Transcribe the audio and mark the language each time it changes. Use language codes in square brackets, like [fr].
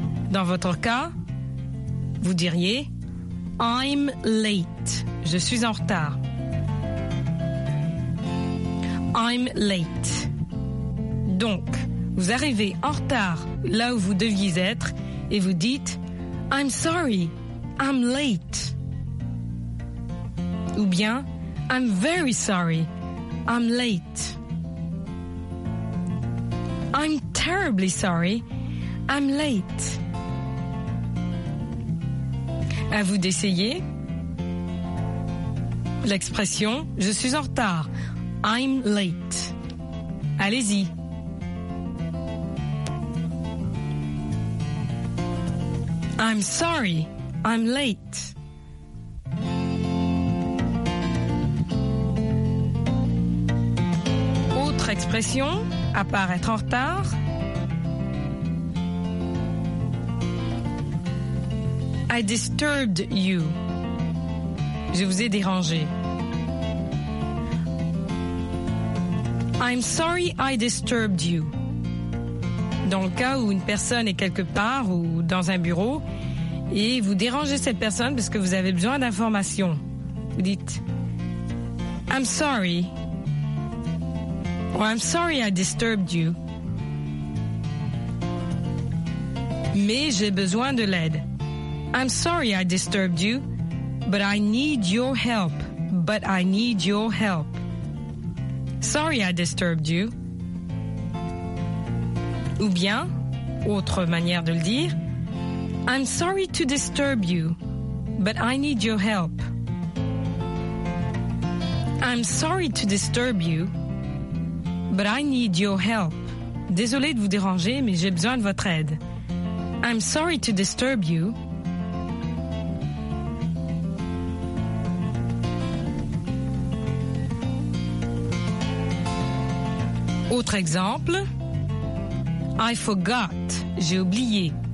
[fr] Dans votre cas, vous diriez [en] I'm late. [fr] Je suis en retard. [en] I'm late. [fr] Donc, vous arrivez en retard là où vous deviez être et vous dites [en] I'm sorry, I'm late. [fr] Ou bien, [en] I'm very sorry, I'm late. I'm terribly sorry, I'm late. [fr] À vous d'essayer l'expression, je suis en retard, [en] I'm late. [fr] Allez-y. [en] I'm sorry, I'm late. [fr] Expression, à part être en retard. [en] I disturbed you. [fr] Je vous ai dérangé. [en] I'm sorry I disturbed you. [fr] Dans le cas où une personne est quelque part ou dans un bureau et vous dérangez cette personne parce que vous avez besoin d'informations, vous dites [en] I'm sorry. Well, I'm sorry I disturbed you. [fr] Mais j'ai besoin de l'aide. [en] I'm sorry I disturbed you, but I need your help. But I need your help. Sorry I disturbed you. [fr] Ou bien, autre manière de le dire, [en] I'm sorry to disturb you, but I need your help. I'm sorry to disturb you, but I need your help. [fr] Désolé de vous déranger, mais j'ai besoin de votre aide. [en] I'm sorry to disturb you. [fr] Autre exemple. [en] I forgot. [fr] J'ai oublié.